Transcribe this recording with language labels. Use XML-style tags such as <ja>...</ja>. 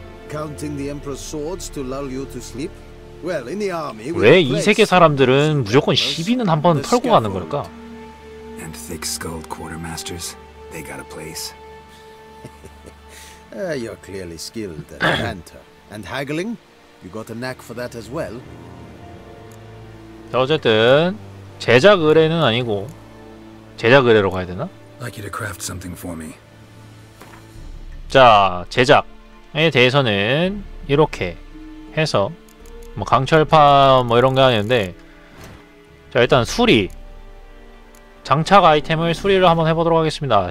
<en>Counting the Emperor's swords to lull you to sleep? Well, in the army, we're...</en> <ko>왜 이 세계 사람들은 무조건 시비는 한번 털고 가는 걸까?</ko> <en>And thick-skulled quartermasters, they got a place. You're clearly skilled at banter. And haggling? You got a knack for that as well?</en> <ko>자, 어쨌든 제작 의뢰는 아니고 제작 의뢰로 가야 되나?</ko> <en>Like you to craft something for me.</en> <ko>자, 제작에 대해서는 이렇게 해서 뭐 강철판 뭐 이런 게 아닌데, 자, 일단 수리 장착 아이템을 수리를 한번 해보도록 하겠습니다.</ko>